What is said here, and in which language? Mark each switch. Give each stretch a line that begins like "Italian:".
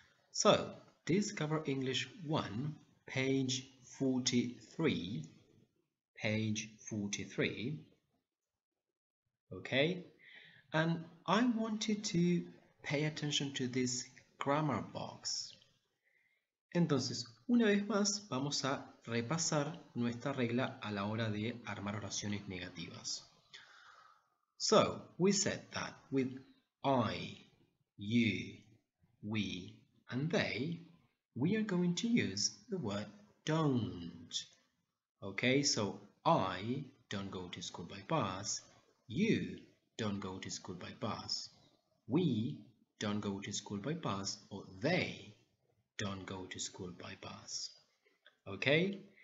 English: So, this cover English 1, page 43. Page 43. Okay, and I wanted to pay attention to this grammar box.
Spanish: Entonces, una vez más, vamos a repasar nuestra regla a la hora de armar oraciones negativas.
English: So, we said that with I, you, we, and they, we are going to use the word don't. Okay, so I don't go to school by bus, you don't go to school by bus, we don't go to school by bus, or they don't go to school by bus. Okay?